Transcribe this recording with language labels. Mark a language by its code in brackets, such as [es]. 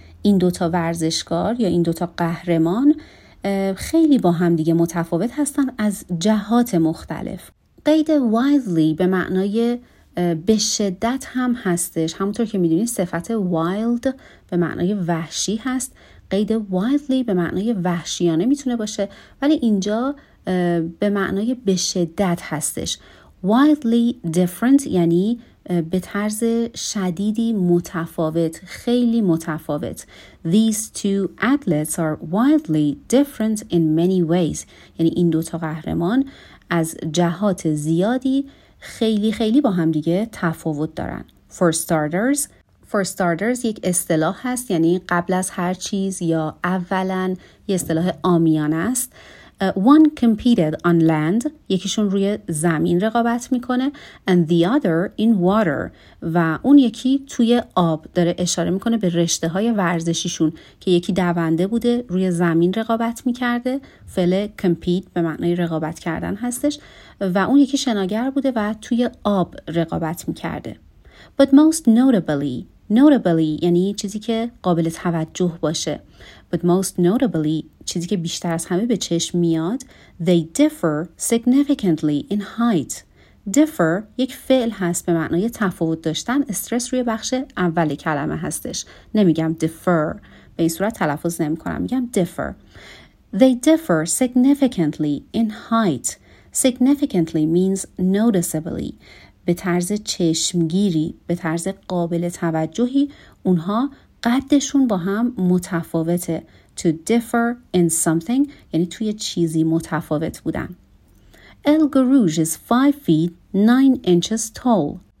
[fa] این دوتا ورزشکار یا این دوتا قهرمان خیلی با هم دیگه متفاوت هستن از جهات مختلف. قید wildly به معنای به شدت هم هستش. همونطور که میدونید صفت wild به معنای وحشی هست. قید wildly به معنای وحشیانه میتونه باشه، ولی اینجا به معنای به شدت هستش. Wildly different یعنی به طرز شدیدی متفاوت، خیلی متفاوت. [en] These two athletes are wildly different in many ways. [fa] یعنی این دوتا قهرمان از جهات زیادی خیلی خیلی با هم دیگه تفاوت دارن. For starters یک اصطلاح هست، یعنی قبل از هر چیز یا اولاً، یه اصطلاح عامیانه است. [en] One competed on land، [fa] یکیشون روی زمین رقابت میکنه، [en] and the other in water، [fa] و اون یکی توی آب، داره اشاره میکنه به رشته های ورزشیشون که یکی دونده بوده روی زمین رقابت میکرده، فعل compete به معنی رقابت کردن هستش، و اون یکی شناگر بوده و توی آب رقابت میکرده. But most notably یعنی چیزی که قابل توجه باشه، but most notably چیزی که بیشتر از همه به چشم میاد، [en] they differ significantly in height. [fa] differ یک فعل هست به معنای تفاوت داشتن، استرس روی بخش اول کلمه هستش، نمیگم differ، به این صورت تلفظ نمی کنم، میگم differ. [en] they differ significantly in height. significantly means noticeably، [fa] به طرز چشمگیری، به طرز قابل توجهی اونها قدشون با هم متفاوته. To differ in something یعنی توی چیزی متفاوت بودن. [en] El Guruj is 5 feet 9 inches tall.